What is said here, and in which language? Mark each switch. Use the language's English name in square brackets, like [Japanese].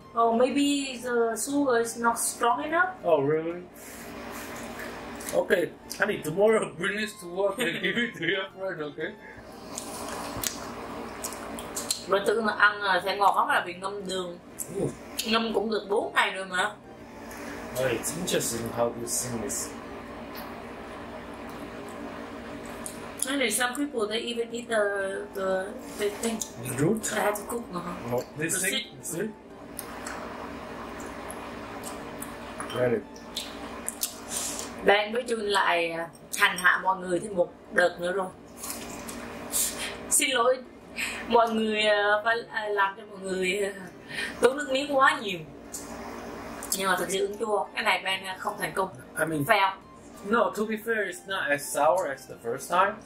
[English] Or maybe the sugar is not strong enough. Oh, really? Okay, honey, tomorrow bring this to work and give it to your friend, okay? [Vietnamese] Rồi tự ăn sẽ ngọt lắm là vì ngâm đường. Ngâm cũng được 4 ngày rồi mà. [English] Oh, it's interesting how you sing this. And some people, they even eat the thing. The root? They have to cook. Oh, this thing? This thing? Got it. [Vietnamese] Bạn với Jun lại hành hạ mọi người thêm một đợt nữa rồi. Xin lỗi mọi người, phải làm cho mọi người tốn nước miếng quá nhiều. Nhưng mà thật sự ứng chua, cái này Ben không thành công. [English] I mean, fail. No, to be fair, it's not as sour as the first time.